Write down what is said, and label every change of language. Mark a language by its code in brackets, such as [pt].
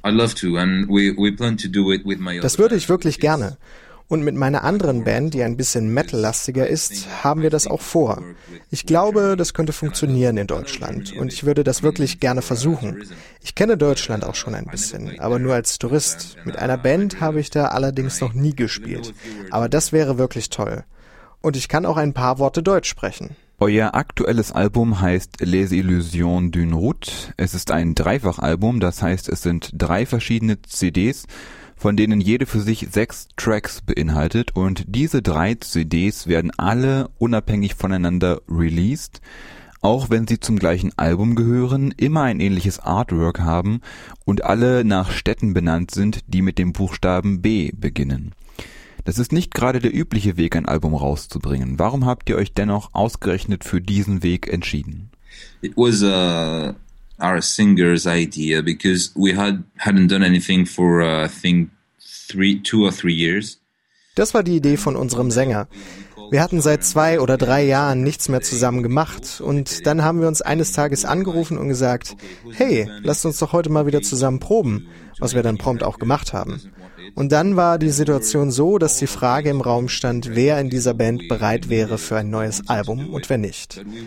[en] I'd love to, and we plan to do it with my [de] other. Das würde ich wirklich gerne. Und mit meiner anderen Band, die ein bisschen Metal-lastiger ist, haben wir das auch vor. Ich glaube, das könnte funktionieren in Deutschland und ich würde das wirklich gerne versuchen. Ich kenne Deutschland auch schon ein bisschen, aber nur als Tourist. Mit einer Band habe ich da allerdings noch nie gespielt. Aber das wäre wirklich toll. Und ich kann auch ein paar Worte Deutsch sprechen. Euer aktuelles Album heißt Les Illusions d'une Route. Es ist ein Dreifachalbum, das heißt, es sind 3 verschiedene CDs, von denen jede für sich 6 Tracks beinhaltet, und diese 3 CDs werden alle unabhängig voneinander released, auch wenn sie zum gleichen Album gehören, immer ein ähnliches Artwork haben und alle nach Städten benannt sind, die mit dem Buchstaben B beginnen. Das ist nicht gerade der übliche Weg, ein Album rauszubringen. Warum habt ihr euch dennoch ausgerechnet für diesen Weg entschieden? [en] It was our singer's idea, because we hadn't done anything for two or three years. [de] Das war die Idee von unserem Sänger. Wir hatten seit 2 oder 3 Jahren nichts mehr zusammen gemacht und dann haben wir uns eines Tages angerufen und gesagt, hey, lasst uns doch heute mal wieder zusammen proben, was wir dann prompt auch gemacht haben. Und dann war die Situation so, dass die Frage im Raum stand, wer in dieser Band bereit wäre für ein neues Album und wer nicht.